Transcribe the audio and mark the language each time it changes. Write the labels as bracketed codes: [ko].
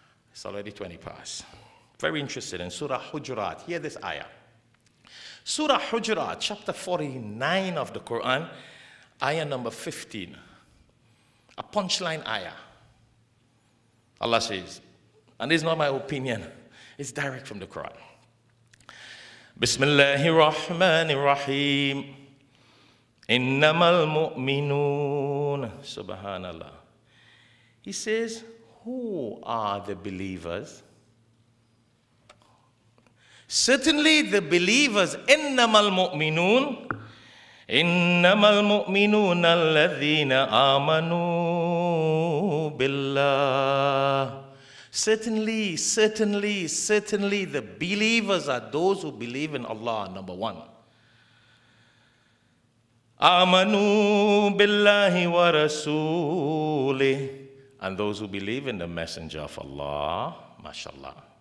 [en] It's already 20 past. Very interested in Surah Hujurat. Hear this ayah. Surah Hujurat, chapter 49 of the Quran, ayah number 15. A punchline ayah. Allah says, and this is not my opinion, it's direct from the Quran. [ar] بسم الله الرحمن الرحيم إنما المؤمنون سبحان الله. [en] He says, who are the believers? Certainly the believers. [ar] إنما المؤمنون إنما المؤمنون الذين آمنوا بالله. [en] Certainly, certainly, certainly, the believers are those who believe in Allah, number one. [ar] Amanu billahi wa rasuli. [en] and those who believe in the Messenger of Allah, mashallah.